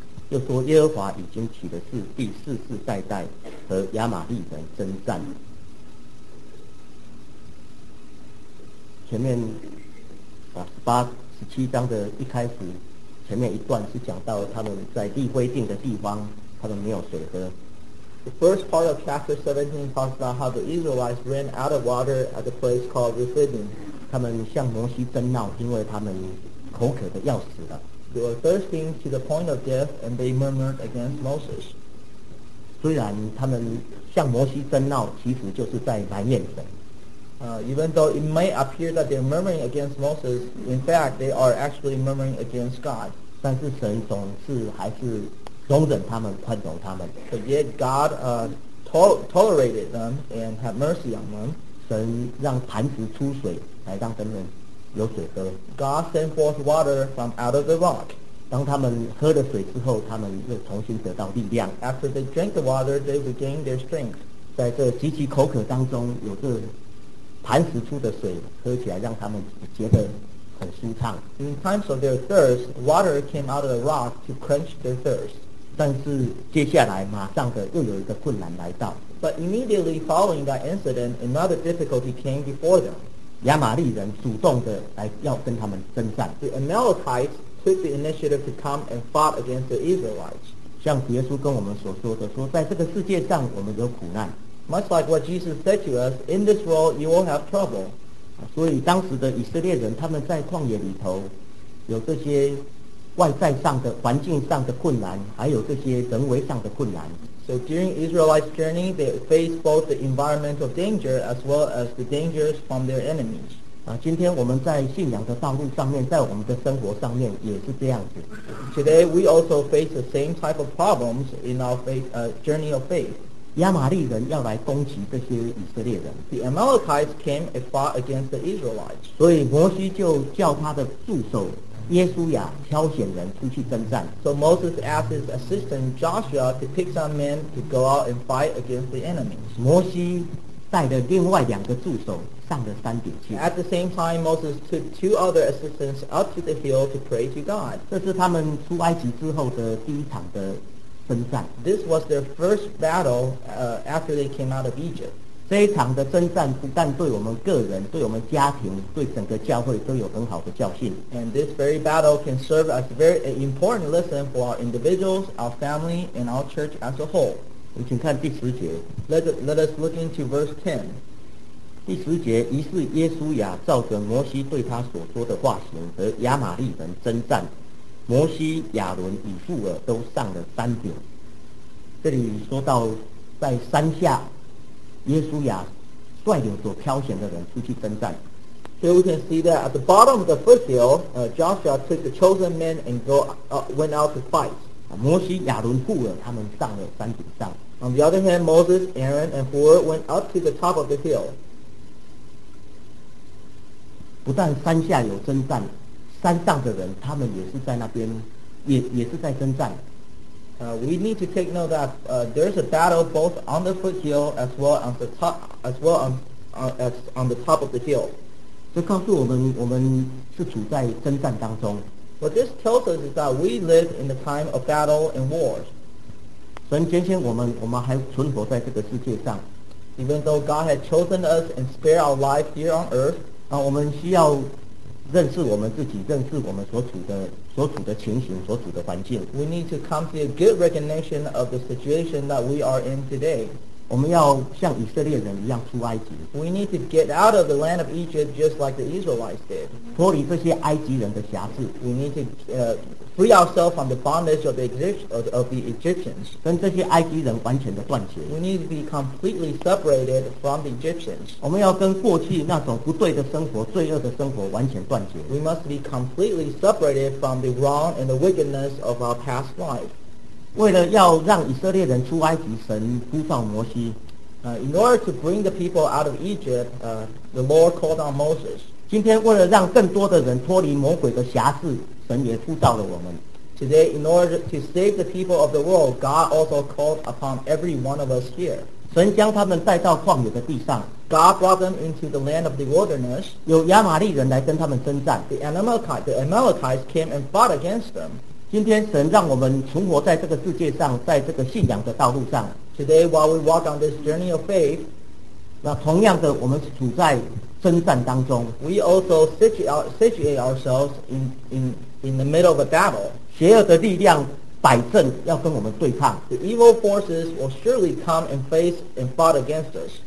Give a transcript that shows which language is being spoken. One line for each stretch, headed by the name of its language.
Chinese: 又说耶和华已经起的是第四世代代和亚玛利人征战。前面18-17的一开始，前面一段是讲到他们在利未定的地方，他们没有水喝。
English: The first part of chapter 17 talks about how the Israelites ran out of water at a place called Rephidim.
Chinese: 他们向摩西争闹，因为他们口渴的要死了。
English: They were thirsting to the point of death, and they murmured against Moses.
Chinese: 虽然他们向摩西争闹，其实就是在埋怨神。
English: Even though it may appear that they're murmuring against Moses, in fact, they are actually murmuring against God.
Chinese: 但是神总是还是容忍他们，宽容他们。
English: But yet God tolerated them and had mercy on them.
Chinese: 神让磐石出水来让他们有水喝。
English: God sent forth water from out of the rock.
Chinese: 当他们喝了水之后，他们又重新得到力量。
English: After they drank the water, they regained their strength.
Chinese: 在这极其口渴当中，有这磐石出的水喝起来让他们觉得很舒畅。
English: In times of their thirst, water came out of the rock to quench their thirst.
Chinese: 但是接下来马上的又有一个困难来到。
English: But immediately following that incident, another difficulty came before them.
Chinese: 亚玛利人主动的来要跟他们征战。
English: The Amalekites took the initiative to come and fought against the Israelites.
Chinese: 像耶稣跟我们所说的，说在这个世界上我们有苦难。
English: Much like what Jesus said to us, in this world you will have trouble.
Chinese: 所以当时的以色列人，他们在旷野里头有这些外在上的、环境上的困难，还有这些人为上的困难。
English: So during Israelites' journey, they faced both the environmental danger as well as the dangers from their enemies.
Chinese: 今天我们在信仰的道路上面，在我们的生活上面也是这样子。
English: Today we also face the same type of problems in our faith, journey of faith.
Chinese: 亚玛利人要来攻击这些以色列人。
English: The Amalekites came and fought against the Israelites.
Chinese: 所以摩西就叫他的助手耶稣亚挑选人出去征战。
English: So Moses asked his assistant Joshua to pick some men to go out and fight against the enemies.
Chinese: 摩西带着另外两个助手上了山顶去。
English: At the same time, Moses took two other assistants up to the hill to pray to God.
Chinese: 这是他们出埃及之后的第一场的。
English: This was their first battle after they came out of Egypt.
Chinese: 这一场的征战不但对我们个人、对我们家庭、对整个教会都有很好的教训。
English: And this very battle can serve as an important lesson for our individuals, our family, and our church as a whole.
Chinese: 我请看第十节。
English: Let us look into verse 10.
Chinese: 第十节，于是耶稣亚照着摩西对他所说的话行，和亚玛利人征战。摩西、亚伦与户尔都上了山顶。这里说到在山下耶稣亚率领所挑选的人出去征战。
English: Here we can see that at the bottom of the foothill, Joshua took the chosen men and went out to fight.
Chinese: 摩西、亚伦、户尔他们上了山顶上。
English: On the other hand, Moses, Aaron, and Hur went up to the top of the hill.
Chinese: 不但山下有征战，山上的人他们也是在那边，也是在征战。
English: We need to take note that there's a battle both on the foothill as well on the top, as on the top of the hill.
Chinese: 这告诉我们，我们是处在征战当中。
English: What this tells us is that we live in the time of battle and wars.
Chinese: 神拣选我们，我们还存活在这个世界上。
English: Even though God had chosen us and spared our life here on earth,
Chinese: 我们需要认识我们自己，认识我们所处的情形，所处的环境。
English: We need to come to a good recognition of the situation that we are in today.
Chinese: 我们要像以色列人一样出埃及。
English: We need to get out of the land of Egypt just like the Israelites did.
Chinese: 脱离这些埃及人的辖制。
English: We need to free ourselves from the bondage of the Egyptians.
Chinese: 跟这些埃及人完全的断绝。
English: We need to be completely separated from the Egyptians.
Chinese: 我们要跟过去那种不对的生活、罪恶的生活完全断绝。
English: We must be completely separated from the wrong and the wickedness of our past life.
Chinese: 为了要让以色列人出埃及，神呼召摩西。
English: In order to bring the people out of Egypt, the Lord called on Moses.
Chinese: 今天为了让更多的人脱离魔鬼的辖制，神也呼召了我们。
English: Today, in order to save the people of the world, God also called upon every one of us here.
Chinese: 神将他们带到旷野的地上。
English: God brought them into the land of the wilderness.
Chinese: 有亚玛利人来跟他们征战。
English: The Amalekites came and fought against them.
Chinese: 今天神让我们存活在这个世界上，在这个信仰的道路上。
English: Today, while we walk on this journey of faith,
Chinese: 那同样的，我们处在征战当中。
English: We also situate ourselves in the middle of a battle.
Chinese: 邪恶的力量摆正要跟我们对抗。
English: The evil forces will surely come and face and fight against us.